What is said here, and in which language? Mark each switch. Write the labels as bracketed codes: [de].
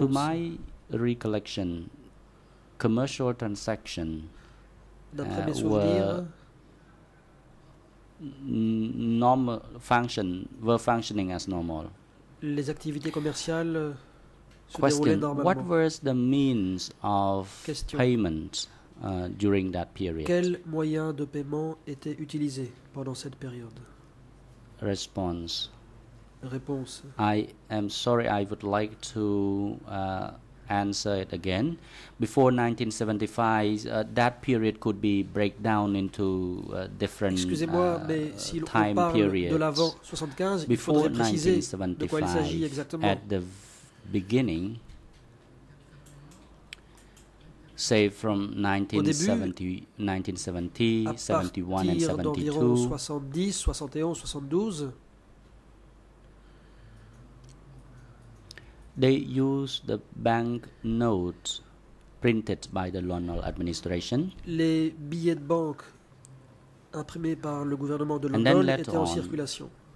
[en] To my recollection, commercial transactions were functioning as normal. [fr] Les activités commerciales Question. [en] What was the means of payment during that period? Quel moyen de paiement était utilisé pendant cette période? Response. [fr] Réponse. [en] I am sorry, I would like to answer it again. Before 1975, that period could be broken down into different time periods. [fr] De l'avant 75, [en] before [fr] il faudrait préciser de quoi il s'agit exactement. [en] At the beginning, say from 1970, 1971, and 1972, they used the bank notes printed by the Lonnol administration. [fr] Les billets de banque imprimés par le gouvernement de Lonnol étaient en circulation.